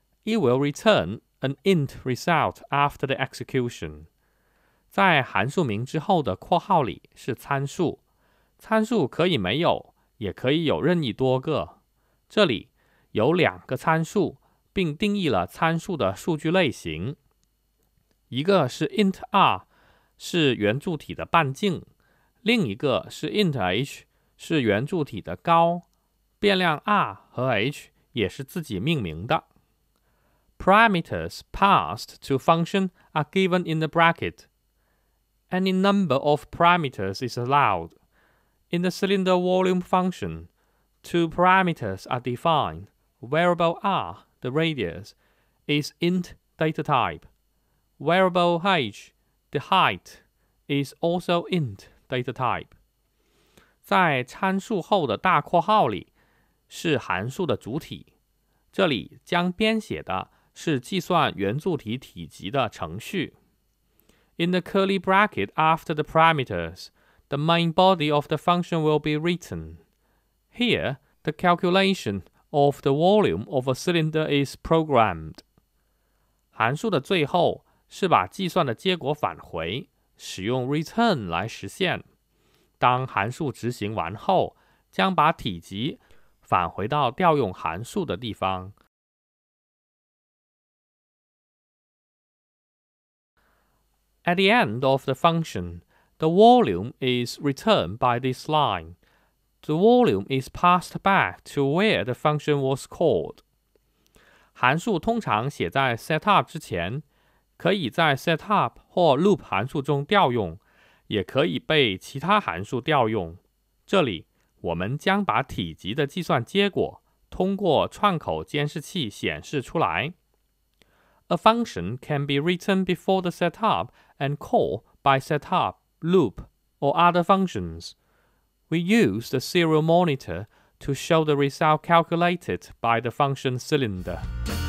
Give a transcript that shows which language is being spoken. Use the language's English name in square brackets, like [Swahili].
[English] It will return an int result after the execution. [Chinese] 在函数名之后的括号里是参数，参数可以没有，也可以有任意多个。这里有两个参数，并定义了参数的数据类型。一个是 int r， 是圆柱体的半径，另一个是 int h， 是圆柱体的高。变量 r 和 h 也是自己命名的。 [English] Parameters passed to function are given in the bracket. Any number of parameters is allowed. In the cylinder volume function, two parameters are defined. Variable r, the radius, is int data type. Variable h, the height, is also int data type. [Chinese] 在参数后的大括号里是函数的主体，这里将编写的是计算圆柱体体积的程序。 [English] In the curly bracket after the parameters, the main body of the function will be written. Here, the calculation of the volume of a cylinder is programmed. [Chinese] 函数的最后是把计算的结果返回，使用 return 来实现。当函数执行完后，将把体积返回到调用函数的地方。 [English] At the end of the function, the volume is returned by this line. The volume is passed back to where the function was called. [Chinese] 函数通常写在 setup 之前，可以在 setup 或 loop 函数中调用，也可以被其他函数调用。这里我们将把体积的计算结果通过串口监视器显示出来。 [English] A function can be written before the setup and called by setup, loop, or other functions. We use the serial monitor to show the result calculated by the function cylinder.